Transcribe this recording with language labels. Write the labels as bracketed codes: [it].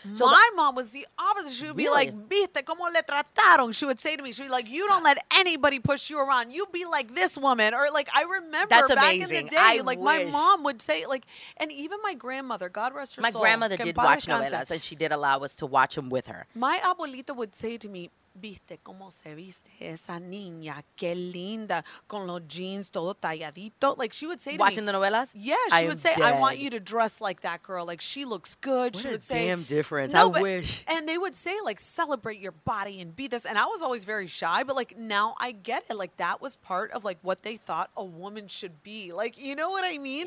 [en] So my mom was the opposite. She would be like, [es] viste cómo le trataron. [en] She would say to me, she'd be like, you don't let anybody push you around. You be like this woman. Or like, I remember that's back amazing. In the day, I wish. My mom would say, like, and even my grandmother, God rest her soul. My grandmother did watch novelas and she did allow us to watch them with her. My abuelita would say to me, [es] viste cómo se viste esa niña, qué linda, con los jeans todo talladito. [en] Like she would say to watching me. Watching the novelas? Yeah, she would say, dead. I want you to dress like that girl. Like she looks good. she a would damn difference. No, I wish. And they would say like, celebrate your body and be this. And I was always very shy, but like now I get it. Like that was part of like what they thought a woman should be. Like, you know what I mean?